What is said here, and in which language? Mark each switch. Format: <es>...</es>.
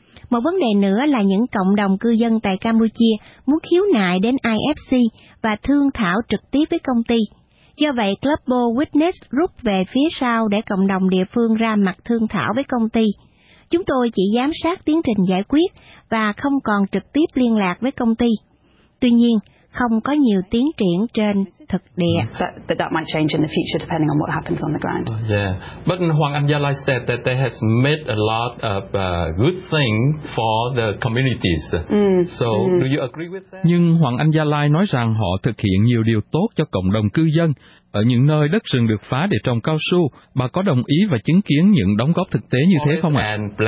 <vi>Một vấn đề nữa là những cộng đồng cư dân tại Campuchia muốn khiếu nại đến IFC và thương thảo trực tiếp với công ty. Do vậy, Global Witness rút về phía sau để cộng đồng địa phương ra mặt thương thảo với công ty. Chúng tôi chỉ giám sát tiến trình giải quyết và không còn trực tiếp liên lạc với công ty. Tuy nhiên, không có nhiều tiến triển trên thực địa.</vi> <en>But that might change in the future depending on what happens on the ground. Yeah, but Hoàng Anh Gia Lai said that they have made a lot of good thing for the communities. Do you agree with that?</en> <vi>Nhưng Hoàng Anh Gia Lai nói rằng họ thực hiện nhiều điều tốt cho cộng đồng cư dân. Ở những nơi đất rừng được phá để trồng cao su, bà có đồng ý và chứng kiến những đóng góp thực tế như thế không ạ?</vi>